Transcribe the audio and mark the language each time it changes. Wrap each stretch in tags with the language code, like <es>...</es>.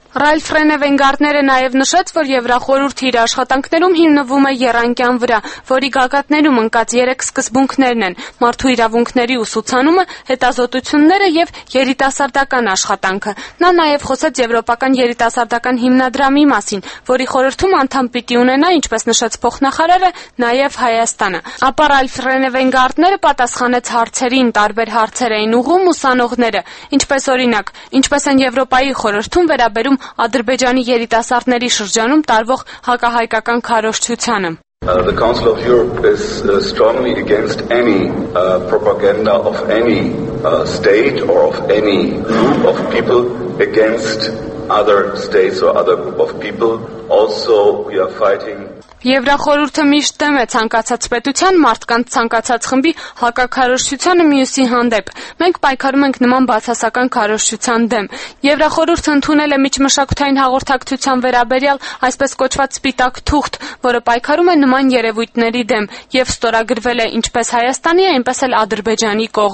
<hy>Ռալֆ Ռենե Վենգարդները նաև նշեց, որ Եվրախորհուրդի իր աշխատանքներում հիմնվում է եռանկյան վրա, որի գագաթներում ընկած 3 սկզբունքներն են՝ մարդու իրավունքների ուսուցանումը, հետազոտությունները և երիտասարդական աշխատանքը։ Նա նաև խոսեց Եվրոպական երիտասարդական հիմնադրամի մասին, որի խորհրդում անդամ պիտի ունենա, ինչպես նշեց փոխնախարարը, նաև Հայաստանը։ Ապա Ռալֆ Ռենե Վենգարդները պատասխանեց հարցերին, տարբեր հարցեր էին ուղղում ուսանողները, ինչպես օրինակ, ինչպես են Եվրոպայի խորհրդում վերաբերվում Ադրբեջանի երիտասարդների շրջանում տարվող հակահայկական քարոշչությանը։</hy> <en>The Council of Europe is strongly against any propaganda of any state or of any group of people against other states or other group of people. Also we are fighting</en> <hy>Եվրախորհուրդը միշտ դեմ է ցանկացած պետության, մարդկանց ցանկացած խմբի հակակարոշչությանը մյուսի հանդեպ։ Մենք պայքարում ենք նման բացասական կարոշչության դեմ։ Եվրախորհուրդը ընդունել է միջմշակութային հաղորդակցության վերաբերյալ այսպես կոչված սպիտակ թուղթ, որը պայքարում է նման երևույթների դեմ և ստորագրվել է ինչպես Հայաստանի, այնպես էլ Ադրբեջանի</hy>